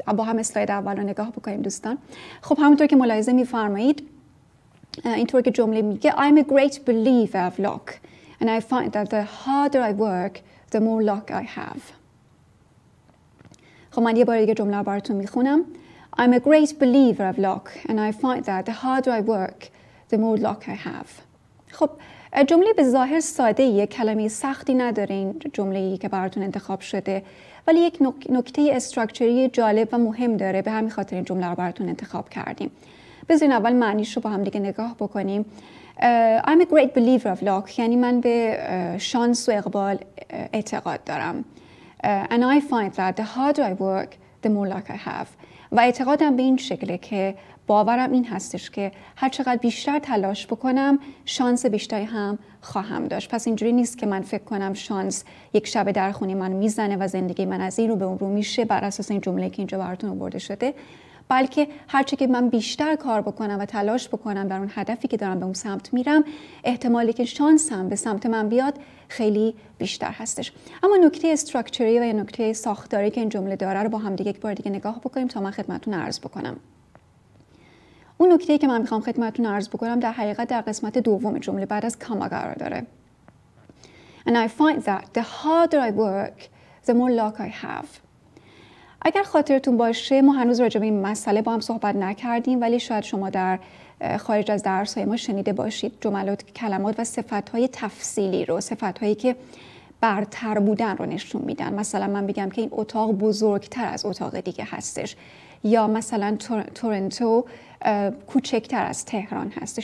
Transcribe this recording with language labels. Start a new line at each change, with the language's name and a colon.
Persian: با هم اسلاید اول رو نگاه بکنیم دوستان. خب همونطور که ملاحظه میفرمایید، اینطور که جمله میگه
English: I'm a great believer of luck and I find that the harder I work, the more luck I have.
Persian: خب من یه بار دیگه جمله براتون میخونم.
English: I'm a great believer of luck and I find that the harder I work, the more luck I have.
Persian: خب جمله به ظاهر ساده ایه، کلمه سختی نداره این جمله ای که براتون انتخاب شده، ولی یک نکته استراکچری جالب و مهم داره، به همین خاطر این جمله رو براتون انتخاب کردیم. بذارین اول معنیش رو با هم دیگه نگاه بکنیم.
English: I'm a great believer of luck
Persian: یعنی من به شانس و اقبال اعتقاد دارم.
English: And I find that the harder I work, the more luck I have.
Persian: و اعتقادم به این شکله که باورم این هستش که هر چقدر بیشتر تلاش بکنم شانس بیشتری هم خواهم داشت. پس اینجوری نیست که من فکر کنم شانس یک شب در خونه من میزنه و زندگی من از این رو به اون رو میشه بر اساس این جمله که اینجا براتون آورده شده. بلکه هرچه که من بیشتر کار بکنم و تلاش بکنم در اون هدفی که دارم به اون سمت میرم، احتمالی که شانسم به سمت من بیاد خیلی بیشتر هستش. اما نکته استراکچری و یا نکته ساختاری که این جمله داره رو با هم دیگه یک بار دیگه نگاه بکنیم تا من خدمتتون عرض بکنم. اون نکته که من میخوام خدمتتون عرض بکنم در حقیقت در قسمت دوم جمله بعد از کاما قرار داره.
English: And I find that the harder I work, the more luck I have.
Persian: اگر خاطرتون باشه ما هنوز راجع به این مسئله با هم صحبت نکردیم، ولی شاید شما در خارج از درس های ما شنیده باشید جملات، کلمات و صفت های تفصیلی رو، صفت هایی که برتر بودن رو نشون میدن. مثلا من بگم که این اتاق بزرگتر از اتاق دیگه هستش، یا مثلا تورنتو کوچکتر از تهران هستش.